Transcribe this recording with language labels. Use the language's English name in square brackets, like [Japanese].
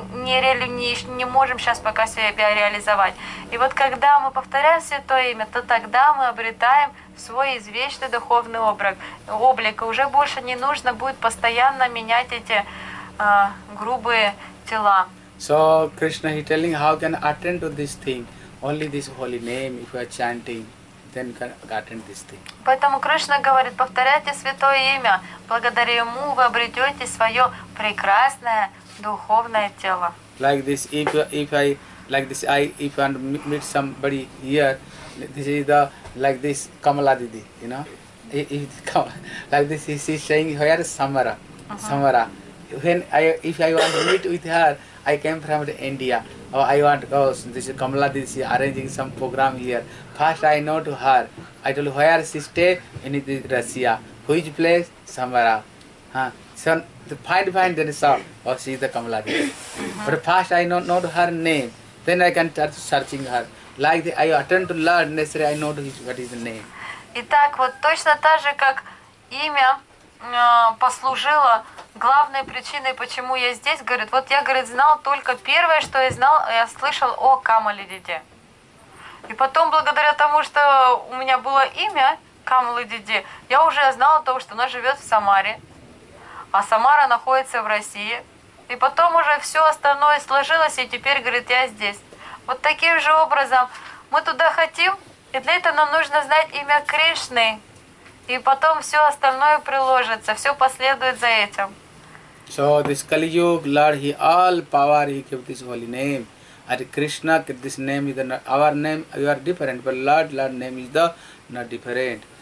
[Russian] Мы не можем сейчас пока себя реализовать. И вот когда мы повторяем святое имя, то тогда мы обретаем свой извечный духовный облик. И уже больше не нужно будет постоянно менять эти грубые тела. [English] So Krishna is telling how can attend to this thing? Only this holy name if you are chanting, then can attend this thing. [Russian] Поэтому Кришна говорит, повторяйте святое имя, благодаря ему вы обретете свое прекрасное духовное тело. [English] Like this, if I meet somebody here, this is the like this Kamala Didi, you know, he is saying here Samara, Samara. If I want to meet with her, I came from India. This is Kamala Didi, she is arranging some program here. First I know to her. I told her, where she stay? In Russia. Which place? Samara. Huh? So find then saw, oh, she is the Kamala Didi. But first I know to her name. Then I can start searching her. Like the, I attend to learn, necessarily I know what is the name. [Russian] Итак, вот точно так же, как имя послужило главной причиной, почему я здесь, говорит. Вот я, говорит, знал только первое, что я знал, я слышал о Камали-Диде. И потом, благодаря тому, что у меня было имя Камали-Диде, я уже знала о том, что она живет в Самаре, а Самара находится в России. И потом уже все остальное сложилось, и теперь, говорит, я здесь. Вот таким же образом мы туда хотим, и для этого нам нужно знать имя Кришны. И потом все остальное приложится, все последует за этим. [English] So this Kali Yuga, Lord, he all power, he gave this holy name. And Krishna, this name is the, our name, you are different, but Lord name is the not different.